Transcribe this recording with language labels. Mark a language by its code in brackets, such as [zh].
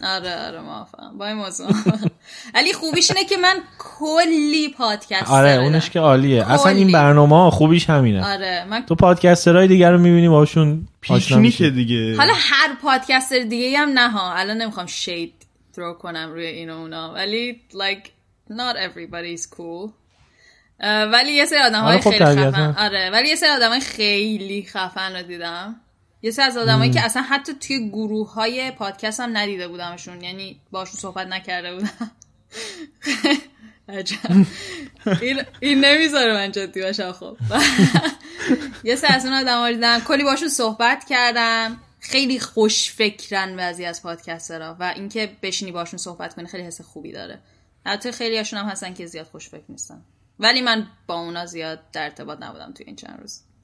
[fa] آره آره موافقم با این موضوع. علی خوبیش اینه که من کلی پادکست دارم. آره اونش که عالیه. اصلا این برنامه خوبیش همینه. آره من تو پادکسترهای دیگر رو می‌بینی باهاشون پیش میشه دیگه. حالا هر پادکستر دیگه هم نه ها. الان نمیخوام شید ترو کنم روی این و اونا. ولی [en] like not everybody is cool. [fa] ولی یه سری آدمای خیلی خفن. آره ولی یه سری آدمای خیلی خفن رو دیدم. یه سه از آدم هایی که اصلا حتی توی گروه های پادکست هم ندیده بودمشون، یعنی باشون صحبت نکرده بودم. این نمیذاره من جدی باشم. خب یه سه از اون آدم ها دیدم، کلی باشون صحبت کردم، خیلی خوش فکرن بعضی از پادکسترها و اینکه بشینی باشون صحبت کنی خیلی حس خوبی داره، حتی خیلی هاشون هم هستن که زیاد خوش فکر نیستن، ولی من با اونا زیاد در ارتباط نبودم توی این چند روز.